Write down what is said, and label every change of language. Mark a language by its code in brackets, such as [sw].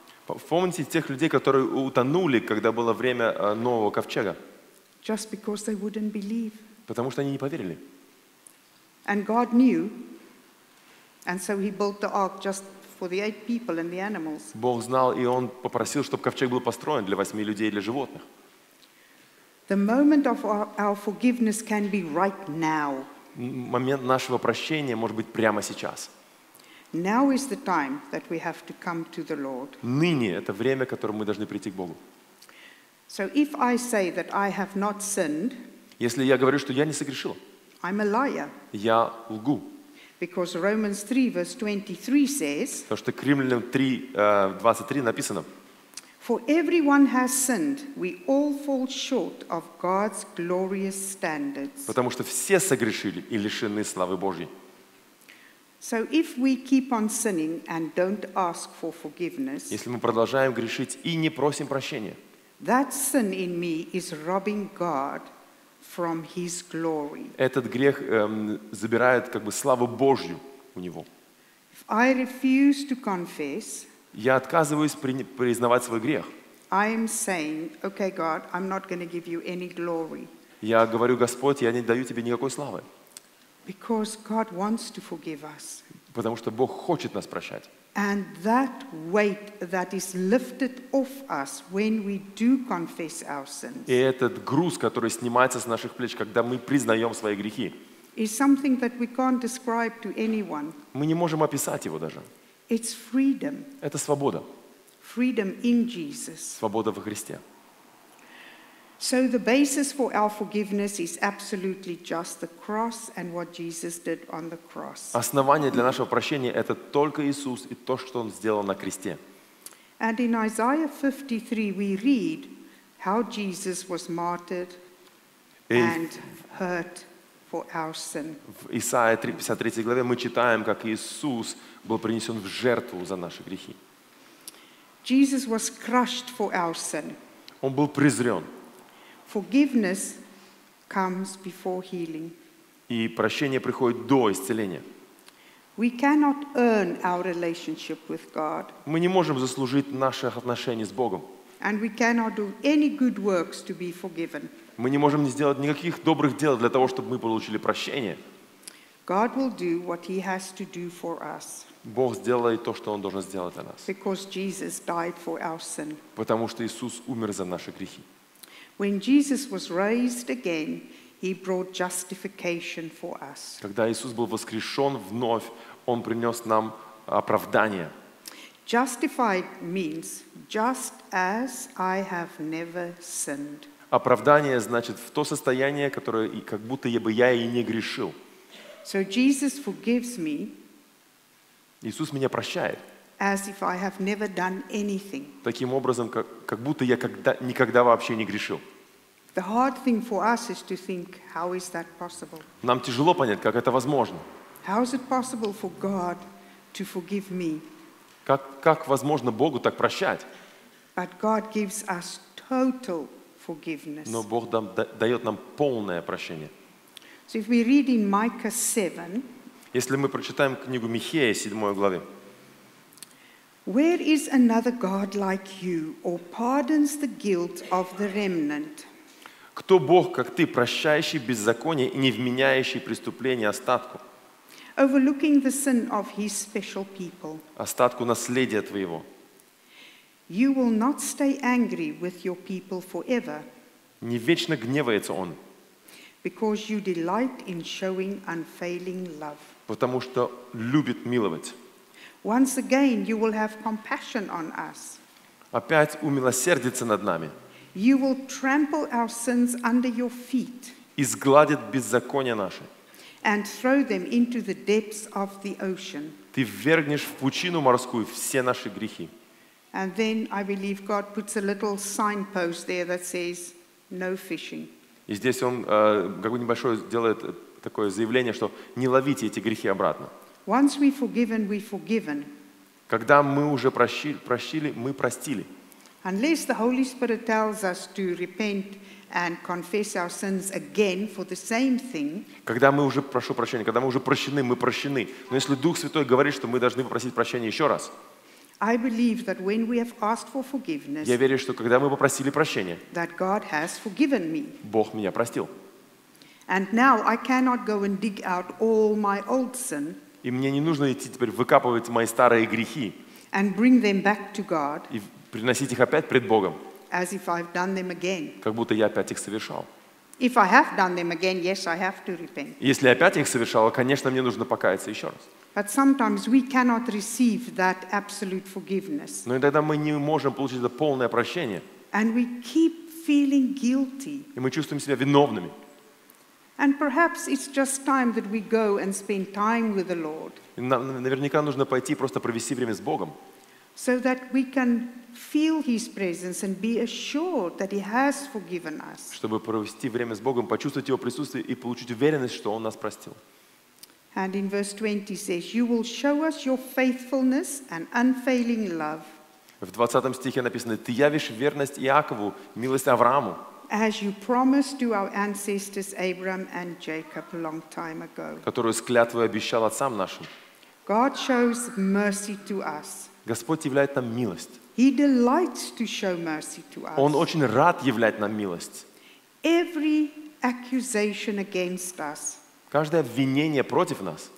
[ru] Помните тех людей, которые утонули, когда было время Нового ковчега. [en] Just because they wouldn't believe. [ru] Потому что они не поверили. [en] And God knew, and so He built the ark just for the 8 people and the animals. [ru] Бог знал, и Он попросил, чтобы ковчег был построен для 8 людей и для животных. [en] The moment of our forgiveness can be right now. [ru] Момент нашего прощения может быть прямо сейчас. [en] Now is the time that we have to come to the Lord. [ru] Ныне это время, в котором мы должны прийти к Богу. [en] So if I say that I have not sinned. [ru] Если я говорю, что я не согрешил, [en] I'm a liar. [ru] Я лгу. [en] Because Romans 3, verse 23 says, [ru] потому что к Римлянам 3, 23 написано, [en] For everyone has sinned, we all fall short of God's glorious standards. [ru] Потому что все согрешили и лишены славы Божьей. [en] So if we keep on sinning and don't ask for forgiveness, [ru] если мы продолжаем грешить и не просим прощения, [en] that sin in me is robbing God from his glory. [ru] Этот грех забирает как бы славу Божью у него. [en] If I refuse to confess, [ru] я отказываюсь признавать свой грех. [en] I am saying, okay, God, I'm not going to give you any glory. [ru] Я говорю, Господь, я не даю тебе никакой славы. [en] Because God wants to forgive us. [ru] Потому что Бог хочет нас прощать. [en] And that weight that is lifted off us when we do confess our sins. [ru] И этот груз, который снимается с наших плеч, когда мы признаем свои грехи, [en] is something that we can't describe to anyone. [ru] Мы не можем описать его даже. [en] It's freedom. [ru] Это свобода. [en] Freedom in Jesus. [ru] Свобода во Христе. [en] So the basis for our forgiveness is absolutely just the cross and what Jesus did on the cross. [ru] Основание для нашего прощения это только Иисус и то, что он сделал на кресте. [en] And in Isaiah 53 we read how Jesus was martyred and hurt for our sin. [ru] В Исаии 53 главе мы читаем, как Иисус был принесен в жертву за наши грехи. [en] Jesus was crushed for our sin. [ru] он был презрен. [en] Forgiveness comes before healing. [ru] И прощение приходит до исцеления. [en] We cannot earn our relationship with God. [ru] Мы не можем заслужить наши отношения с Богом. [en] And we cannot do any good works to be forgiven. [ru] Мы не можем сделать никаких добрых дел для того, чтобы мы получили прощение. [en] God will do what He has to do for us. [ru] Бог сделает то, что Он должен сделать для нас. [en] Because Jesus died for our sin. [ru] Потому что Иисус умер за наши грехи. [en] When Jesus was raised again, He brought justification for us. [ru] Когда Иисус был воскрешен вновь, Он принес нам оправдание. [en] Justified means just as I have never sinned. [ru] Оправдание значит в то состояние, которое как будто бы я и не грешил. [en] So Jesus forgives me. [ru] Иисус меня прощает. [en] As if I have never done anything. [ru] Таким образом, как будто я никогда вообще не грешил. [en] The hard thing for us is to think, how is that possible? [ru] Нам тяжело понять, как это возможно. [en] How is it possible for God to forgive me? [ru] Как возможно Богу так прощать? [en] But God gives us total forgiveness. [ru] Но Бог дает нам полное прощение. [en] So if we read in Micah 7, [ru] если мы прочитаем книгу Михея, 7 главе. [en] Where is another God like you, or pardons the guilt of the remnant? [ru] Кто Бог, как ты, прощающий беззаконие и не вменяющий преступление остатку? [en] Overlooking the sin of his special people. [ru] Остатку наследия твоего. [en] You will not stay angry with your people forever. [ru] Не вечно гневается он. [en] Because you delight in showing unfailing love. [ru] Потому что любит миловать. [en] Once again you will have compassion on us. [ru] Опять умилосердится над нами. [en] You will trample our sins under your feet. [ru] Изгладит беззаконие наше. [en] And throw them into the depths of the ocean. [ru] Ты ввергнешь в пучину морскую все наши грехи. [en] And then I believe God puts a little signpost there that says no fishing. [ru] И здесь он как бы небольшое делает такое заявление, что не ловите эти грехи обратно. [en] Once we forgiven, we forgiven. [ru] Когда мы уже прощили, мы простили. [en] Unless the Holy Spirit tells us to repent and confess our sins again for the same thing. [ru] Когда мы уже прошу прощения, когда мы уже прощены, мы прощены. Но если Дух Святой говорит, что мы должны попросить прощения еще раз. [en] I believe that when we have asked for forgiveness. [ru] Я верю, что когда мы попросили прощения. [en] That God has forgiven me. [ru] Бог меня простил. [en] And now I cannot go and dig out all my old sin. [ru] И мне не нужно идти теперь выкапывать мои старые грехи. [en] And bring them back to God. [ru] И приносить их опять пред Богом. [en] As if I've done them again. [ru] Как будто я опять их совершал. [en] If I have done them again, yes, I have to repent. [ru] Если опять их совершал, конечно, мне нужно покаяться еще раз. [en] But sometimes we cannot receive that absolute forgiveness. [ru] Но иногда мы не можем получить это полное прощение. [en] And we keep feeling guilty. [ru] И мы чувствуем себя виновными. [en] And perhaps it's just time that we go and spend time with the Lord. [ru] Наверняка нужно пойти просто провести время с Богом. [en] So that we can feel His presence and be assured that He has forgiven us. [ru] Чтобы провести время с Богом, почувствовать Его присутствие и получить уверенность, что Он нас простил. [en] And in verse 20 says, "You will show us Your faithfulness and unfailing love." [ru] В 20 стихе написано: "Ты явишь верность Иакову, милость Аврааму." [en] As you promised to our ancestors Abraham and Jacob a long time ago. [ru] Которую с клятвой обещал отцам нашим. [en] God shows mercy to us. [ru] Господь являет нам милость. [en] He delights to show mercy to us. [ru] Он очень рад являть нам милость. [en] Every accusation against us. [ru] Каждое обвинение против нас.